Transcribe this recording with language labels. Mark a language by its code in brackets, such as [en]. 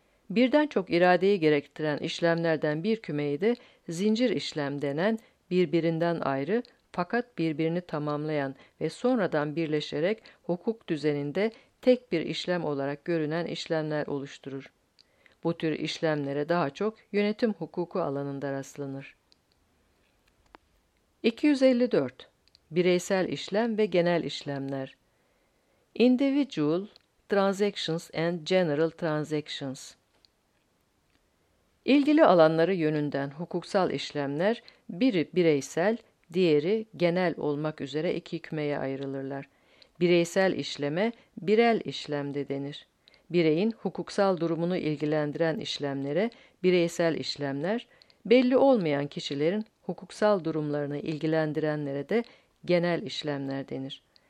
[tr] Birden çok iradeyi gerektiren işlemlerden bir kümeyi de zincir işlem denen birbirinden ayrı fakat birbirini tamamlayan ve sonradan birleşerek hukuk düzeninde tek bir işlem olarak görünen işlemler oluşturur. Bu tür işlemlere daha çok yönetim hukuku alanında rastlanır. 254. Bireysel işlem ve genel işlemler. [en] Individual transactions and general transactions. [tr] İlgili alanları yönünden hukuksal işlemler, biri bireysel, diğeri genel olmak üzere iki kümeye ayrılırlar. Bireysel işleme, birel işlem de denir. Bireyin hukuksal durumunu ilgilendiren işlemlere bireysel işlemler, belli olmayan kişilerin hukuksal durumlarını ilgilendirenlere de genel işlemler denir.